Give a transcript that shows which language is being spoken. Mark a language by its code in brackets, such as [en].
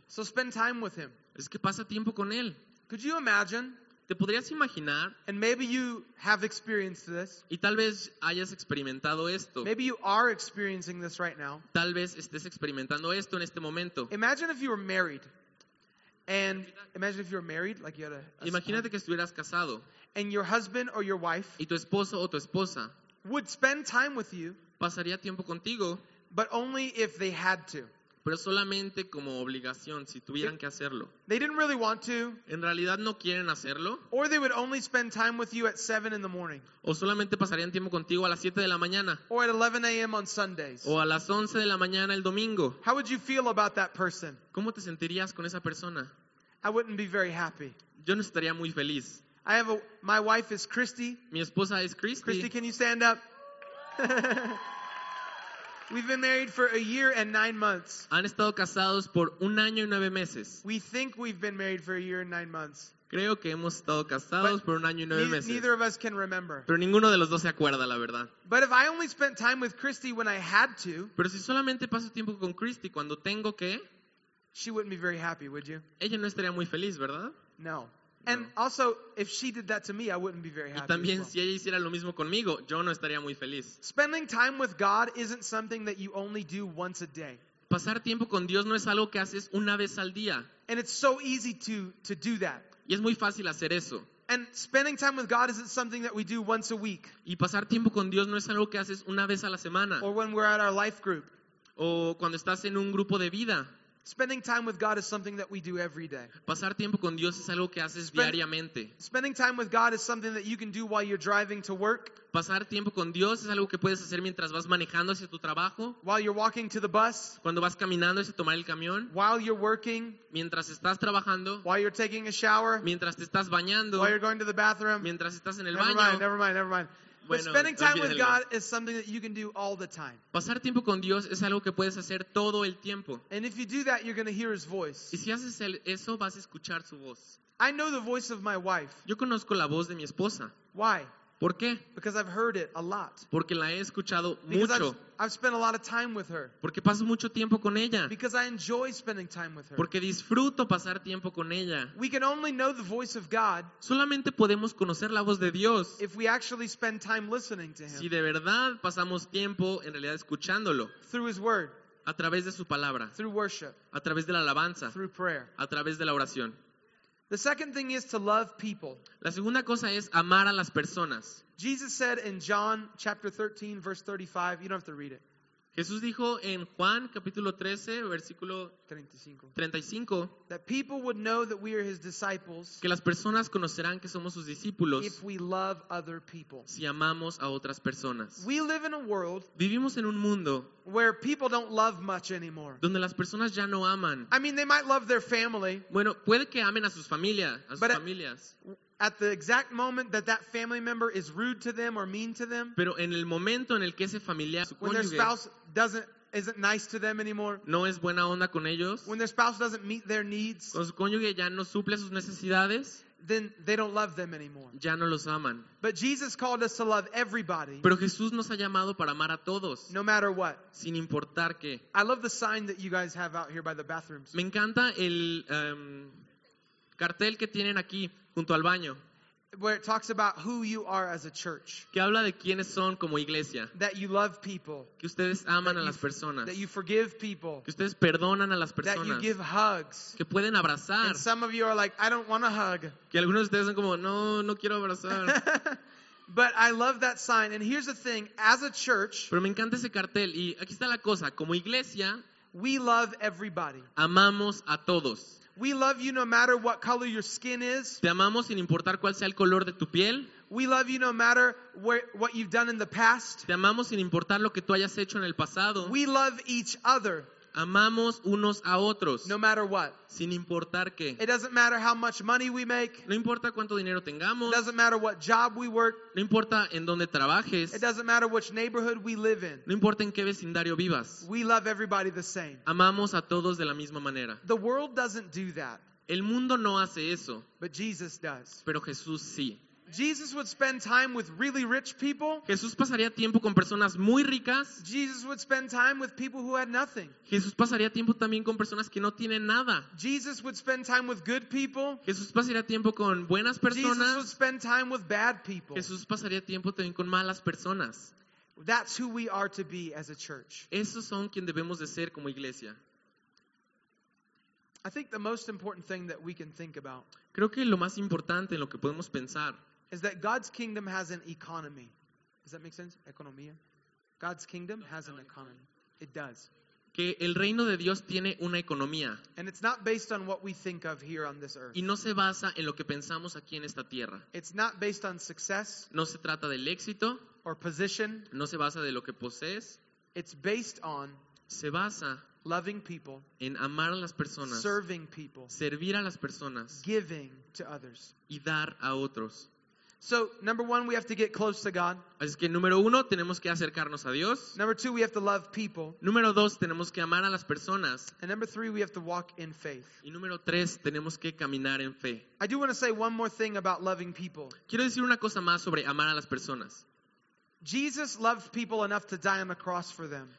[en] So spend time with him. [es] Es que pasa tiempo con él. [en] Could you imagine? [es] ¿Te podrías imaginar? [en] And maybe you have experienced this. [es] Y tal vez hayas experimentado esto. [en] Maybe you are experiencing this right now. [es] Tal vez estés experimentando esto en este momento. [en] Imagine if you were married. And imagine if you were married, like you had a [es] imagínate que estuvieras casado. [en] And your husband or your wife, [es] y tu esposo o tu esposa, [en] would spend time with you. [es] Pasaría tiempo contigo. [en] But only if they had to. [es] Pero solamente como obligación, si tuvieran que hacerlo. [en] They didn't really want to. [es] En realidad no quieren hacerlo. [en] Or they would only spend time with you at 7 in the morning. [es] O solamente pasarían tiempo contigo a las 7 de la mañana. [en] Or at 11 a.m. on Sundays. [es] O a las 11 de la mañana el domingo. [en] How would you feel about that person? [es] ¿Cómo te sentirías con esa persona? [en] I wouldn't be very happy. [es] Yo no estaría muy feliz. [en] I have my wife is Christy. [es] Mi esposa es Christy. [en] Christy, can you stand up? We've been married for a year and 9 months. [es] Han estado casados por un año y nueve meses. [en] We think we've been married for a year and 9 months. [es] Creo que hemos estado casados [en] but [es] por un año y nueve meses. [en] Neither of us can remember. [es] Pero ninguno de los dos se acuerda, la verdad. [en] But if I only spent time with Christy when I had to, [es] pero si solamente paso tiempo con Christy cuando tengo que, [en] she wouldn't be very happy, would you? [es] Ella no estaría muy feliz, ¿verdad? [en] No. And also, if she did that to me, I wouldn't be very happy. [es] Y también [en] well. [es] Si ella hiciera lo mismo conmigo, yo no estaría muy feliz. [en] Spending time with God isn't something that you only do once a day. [es] Pasar tiempo con Dios no es algo que haces una vez al día. [en] And it's so easy to do that. [es] Y es muy fácil hacer eso. [en] And spending time with God isn't something that we do once a week. [es] Y pasar tiempo con Dios no es algo que haces una vez a la semana. [en] Or when we're at our life group. [es] O cuando estás en un grupo de vida. [en] Spending time with God is something that we do every day. [es] Pasar tiempo con Dios es algo que haces diariamente. [en] Spending time with God is something that you can do while you're driving to work. [es] Pasar tiempo con Dios es algo que puedes hacer mientras vas manejando hacia tu trabajo. [en] While you're walking to the bus. [es] Cuando vas caminando hacia tomar el camión. [en] While you're working. [es] Mientras estás trabajando. [en] While you're taking a shower. [es] Mientras te estás bañando. [en] While you're going to the bathroom. [es] Mientras estás en el baño. [en] Never mind. But spending time with God is something that you can do all the time. [es] Pasar tiempo con Dios es algo que puedes hacer todo el tiempo. [en] And if you do that, you're going to hear his voice. [es] Y si haces eso, vas a escuchar su voz. [en] I know the voice of my wife. [es] Yo conozco la voz de mi esposa. [en] Why? [es] ¿Por qué? [en] Because I've heard it a lot. [es] Porque la he escuchado [en] because [es] mucho. [en] I've spent a lot of time with her. [es] Porque paso mucho tiempo con ella. [en] Because I enjoy spending time with her. [es] Porque disfruto pasar tiempo con ella. [en] We can only know the voice of God. [es] Solamente podemos conocer la voz de Dios. [en] If we actually spend time listening to him. [es] Si de verdad pasamos tiempo en realidad escuchándolo. [en] Through his word. [es] A través de su palabra. [en] Through worship. [es] A través de la alabanza. [en] Through prayer. [es] A través de la oración. [en] The second thing is to love people. [es] La segunda cosa es amar a las personas. [en] Jesus said in John chapter 13 verse 35, you don't have to read it. [es] Jesús dijo en Juan capítulo 13 versículo [en] 35 that people would know that we are his disciples. [es] Que las personas conocerán que somos sus discípulos. [en] If we love other people. [es] Si amamos a otras personas. [en] We live in a world. [es] Vivimos en un mundo. [en] Where people don't love much anymore. [es] Donde las personas ya no aman. [en] I mean, they might love their family. [es] Bueno, puede que amen a sus familias, [en] At the exact moment that family member is rude to them or mean to them. [es] Pero en el momento en el que ese familiar, su cónyuge, [en] when their spouse isn't nice to them anymore. [es] No es buena onda con ellos. [en] When their spouse doesn't meet their needs. [es] Cuando su cónyuge ya no suple sus necesidades. [en] Then they don't love them anymore. [es] Ya no los aman. [en] But Jesus called us to love everybody. [es] Pero Jesús nos ha llamado para amar a todos. [en] No matter what. [es] Sin importar qué. [en] I love the sign that you guys have out here by the bathrooms. [es] Me encanta el cartel que tienen aquí junto al baño. [en] Where it talks about who you are as a church. [es] Que habla de quiénes son como iglesia. [en] That you love people. [es] Que ustedes aman a las personas. [en] That you forgive people. [es] Que ustedes perdonan a las personas. [en] That you give hugs. [es] Que pueden abrazar. [en] And some of you are like, I don't want to hug. [es] Que algunos de ustedes son como, no, no quiero abrazar. [en] But I love that sign. And here's the thing, as a church. [es] Pero me encanta ese cartel. Y aquí está la cosa. Como iglesia. [en] We love everybody. [es] Amamos a todos. [en] We love you no matter what color your skin is. [es] Te amamos sin importar cuál sea el color de tu piel. [en] We love you no matter what you've done in the past. [es] Te amamos sin importar lo que tú hayas hecho en el pasado. [en] We love each other. [es] Amamos unos a otros. [en] No matter what. [es] Sin importar qué. [en] It doesn't matter how much money we make. [es] No importa cuánto dinero tengamos. [en] It doesn't matter what job we work. [es] No importa en dónde trabajes. [en] It doesn't matter which neighborhood we live in. [es] No importa en qué vecindario vivas. [en] We love everybody the same. [es] Amamos a todos de la misma manera. [en] The world doesn't do that. [es] El mundo no hace eso. [en] But Jesus does. [es] Pero Jesús sí. [en] Jesus would spend time with really rich people. [es] Jesús pasaría tiempo con personas muy ricas. [en] Jesus would spend time with people who had nothing. [es] Jesús pasaría tiempo también con personas que no tienen nada. [en] Jesus would spend time with good people. [es] Jesús pasaría tiempo con buenas personas. [en] Jesus would spend time with bad people. [es] Jesús pasaría tiempo también con malas personas. [en] That's who we are to be as a church. [es] Esos son quien debemos de ser como iglesia. [en] I think the most important thing that we can think about. [es] Creo que lo más importante en lo que podemos pensar. [en] Is that God's kingdom has an economy. Does that make sense? Economía. God's kingdom has an economy. It does. [es] Que el reino de Dios tiene una economía. [en] And it's not based on what we think of here on this earth. [es] Y no se basa en lo que pensamos aquí en esta tierra. [en] It's not based on success. [es] No se trata del éxito. [en] Or position. [es] No se basa de lo que posees. [en] It's based on. [es] Se basa. [en] Loving people. [es] En amar a las personas. [en] Serving people. [es] Servir a las personas. [en] Giving to others. [es] Y dar a otros. [en] So, number one, we have to get close to God. [es] Así que, número uno, tenemos que acercarnos a Dios. [en] Number two, we have to love people. [es] Número dos, tenemos que amar a las personas. [en] And number three, we have to walk in faith. [es] Y número tres, tenemos que caminar en fe. [en] I do want to say one more thing about loving people. [es] Quiero decir una cosa más sobre amar a las personas. [en] Jesus loved people enough to die on the cross for them.